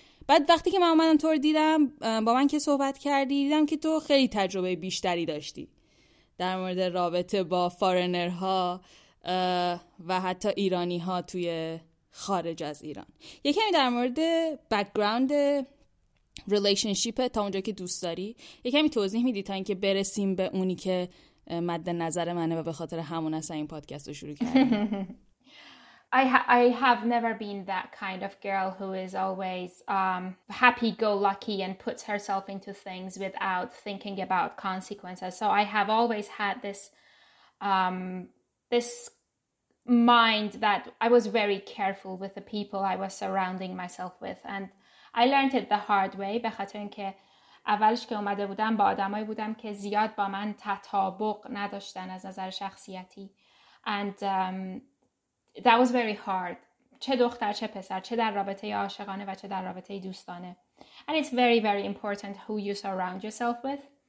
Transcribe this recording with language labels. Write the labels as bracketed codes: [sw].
[fa] بعد وقتی که من اومدم تو رو دیدم، با من که صحبت کردی، دیدم که تو خیلی تجربه بیشتری داشتی در مورد رابطه با فارنرها و حتی ایرانی ها توی خارج از ایران. یکمی در مورد بک‌گراند ریلیشنشیپ تا اونجا که دوست داری یکمی توضیح میدی تا اینکه برسیم به اونی که مد نظر منه و به خاطر همون اصلا این پادکست رو شروع کردیم. [en] I have never been that kind of girl who is always happy go lucky and puts herself into things without thinking about consequences. So I have always had this this mind that I was very careful with the people I was surrounding myself with, and I learned it the hard way. [fa] به خاطر اینکه اولش که اومده بودم با آدمایی بودم که زیاد با من تطابق نداشتن از نظر شخصیتی. [en] And that was very hard. [fa] چه دختر چه پسر، چه در رابطه عاشقانه و چه در رابطه دوستانه. [en] And it's very very important who you surround yourself with.